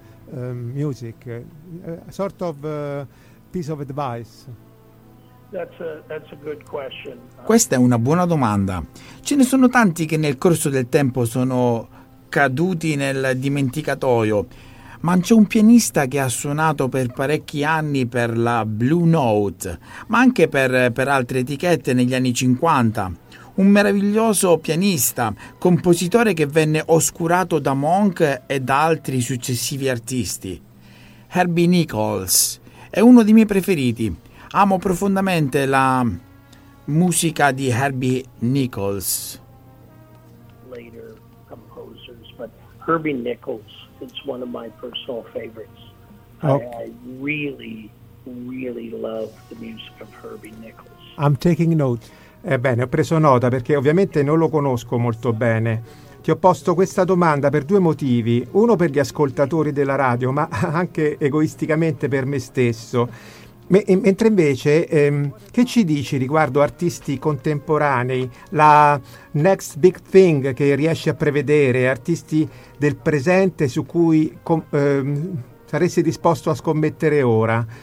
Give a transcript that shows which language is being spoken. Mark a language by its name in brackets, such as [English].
[English] Music, a sort of piece of advice. That's a good question. [Italian] Questa è una buona domanda. Ce ne sono tanti che nel corso del tempo sono caduti nel dimenticatoio, ma c'è un pianista che ha suonato per parecchi anni per la Blue Note, ma anche per altre etichette negli anni 50. Un meraviglioso pianista, compositore che venne oscurato da Monk e da altri successivi artisti. Herbie Nichols è uno dei miei preferiti. Amo profondamente la musica di Herbie Nichols. [English] Later composers, but Herbie Nichols is one of my personal favorites. I really love the music of Herbie Nichols. I'm taking note. [Italian] Ebbene, ho preso nota perché ovviamente non lo conosco molto bene. Ti ho posto questa domanda per due motivi, uno per gli ascoltatori della radio, ma anche egoisticamente per me stesso. Mentre invece, che ci dici riguardo artisti contemporanei, la next big thing che riesci a prevedere, artisti del presente su cui saresti disposto a scommettere ora?